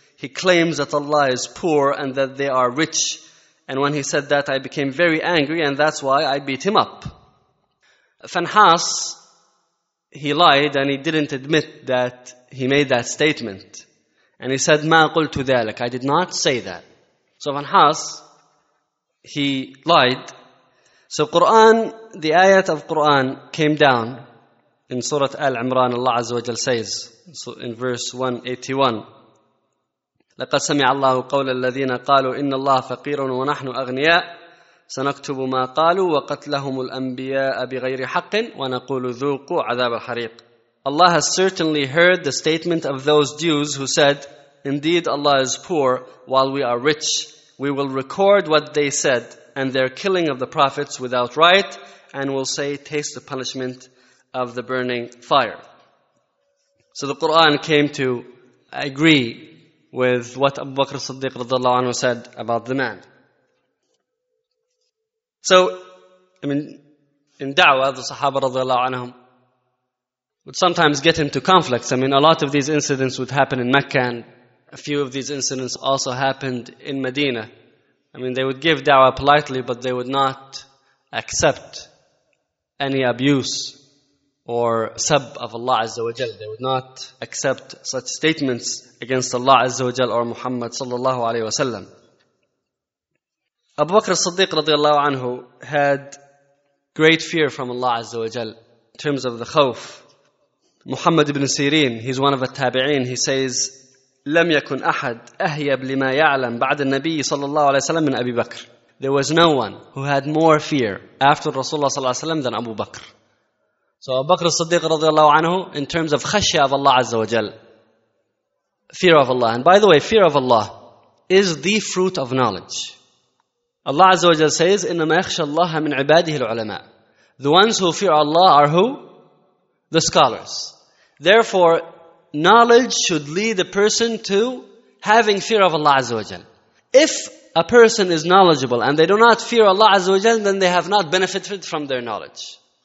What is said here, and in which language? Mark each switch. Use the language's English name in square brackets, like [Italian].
[English] He claims that Allah is poor and that they are rich. And when he said that, I became very angry, and that's why I beat him up. Fanhas, he lied and he didn't admit that he made that statement. And he said, [Arabic] مَا قُلْتُ ذَلَكَ. [English] I did not say that. So Fanhas, he lied. So Quran, the ayat of Quran came down in Surah Al-Imran, Allah Azza wa Jal says, in verse 181, [Arabic] لقد سمع الله قول الذين قالوا إن الله فقير ونحن أغنياء سنكتب ما قالوا وقتلهم الأنبياء بغير حق ونقول ذوقوا عذاب الحريق. [English] Allah has certainly heard the statement of those Jews who said, indeed Allah is poor while we are rich. We will record what they said and their killing of the prophets without right, and will say, taste the punishment of the burning fire. So the Quran came to agree with what Abu Bakr as-Siddiq radiallahu anhu said about the man. So, I mean, in da'wah, the Sahaba radiallahu anhum would sometimes get into conflicts. I mean, a lot of these incidents would happen in Mecca, and a few of these incidents also happened in Medina. I mean, they would give da'wah politely, but they would not accept any abuse or sub of Allah Azza wa Jal. They would not accept such statements against Allah Azza wa Jal or Muhammad sallallahu alayhi wa sallam. Abu Bakr as-Siddiq radiallahu anhu had great fear from Allah Azza wa Jal in terms of the khawf. Muhammad ibn Sirin, he's one of the tabi'een, he says, [Arabic] لم يكن أحد أهيب لما يعلم بعد النبي صلى الله عليه وسلم من أبي بكر. [English] There was no one who had more fear after Rasulullah sallallahu alayhi wa sallam than Abu Bakr. So Abu Bakr as-Siddiq radiallahu anhu, in terms of khashya of Allah Azza wa Jal, fear of Allah. And by the way, fear of Allah is the fruit of knowledge. Allah Azza wa Jal says, [Arabic] إِنَّمَا يَخْشَ اللَّهَ مِنْ عِبَادِهِ الْعُلَمَاءِ. [English] The ones who fear Allah are who? The scholars. Therefore, knowledge should lead a person to having fear of Allah Azza wa Jal. If a person is knowledgeable and they do not fear Allah Azza wa Jal, then they have not benefited from their knowledge.